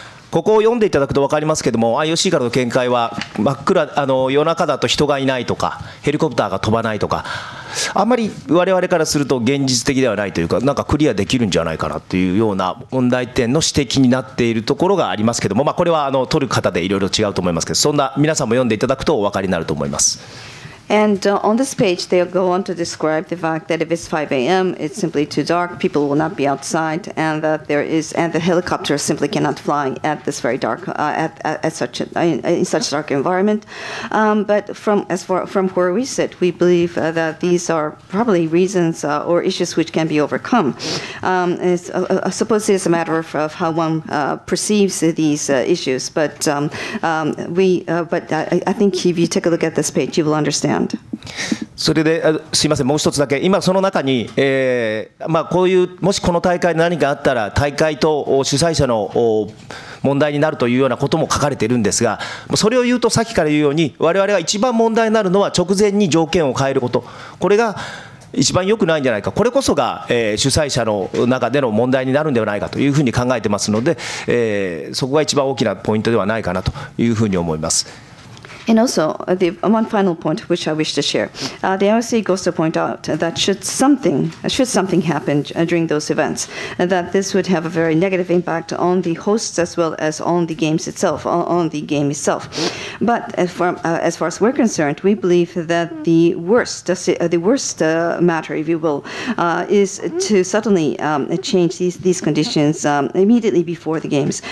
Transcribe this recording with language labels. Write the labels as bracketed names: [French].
[Japanese] ここを読んでいただくと分かりますけども、IOC からの見解は真っ暗、あの夜中だと人がいないとか、ヘリコプターが飛ばないとか、あまり我々からすると現実的ではないというか、なんかクリアできるんじゃないかなというような問題点の指摘になっているところがありますけども、まあ、これはあの取る方でいろいろ違うと思いますけど、そんな皆さんも読んでいただくとお分かりになると思います。 [English] And on this page, they'll go on to describe the fact that if it's 5 a.m., it's simply too dark, people will not be outside, and that there is, and the helicopter simply cannot fly at this very dark, in such a dark environment. But from where we sit, we believe that these are probably reasons or issues which can be overcome. I suppose it is a matter of how one perceives these issues, but I think if you take a look at this page, you will understand. [Japanese] それですいません、もう一つだけ、今その中に、まあ、こういう、もしこの大会で何かあったら、大会と主催者の問題になるというようなことも書かれているんですが、それを言うと、さっきから言うように、われわれが一番問題になるのは、直前に条件を変えること、これが一番良くないんじゃないか、これこそが、主催者の中での問題になるんではないかというふうに考えてますので、そこが一番大きなポイントではないかなというふうに思います。 [English] And also, the one final point which I wish to share. The IOC goes to point out that should something happen during those events, that this would have a very negative impact on the hosts as well as on the games itself, on the game itself. But as far as we're concerned, we believe that the worst matter, if you will, is to suddenly change these conditions immediately before the games.